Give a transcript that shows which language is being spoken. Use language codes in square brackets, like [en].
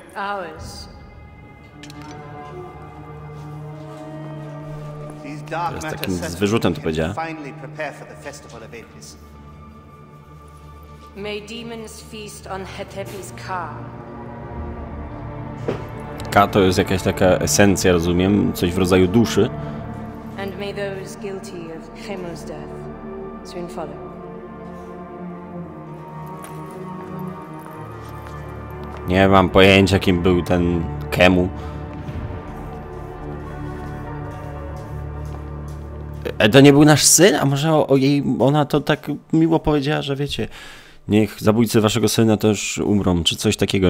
[en] Ours. These dark matters set us finally prepare for the festival of Apis. May demons feast on Hetepi's Ka. [pl] Ka to jest jakaś taka esencja, rozumiem, coś w rodzaju duszy. [en] And may those guilty of Chemo's death soon follow. [pl] Nie mam pojęcia, kim był ten Chemu. To nie był nasz syn? A może o jej, ona to tak miło powiedziała, że wiecie, niech zabójcy waszego syna też umrą, czy coś takiego.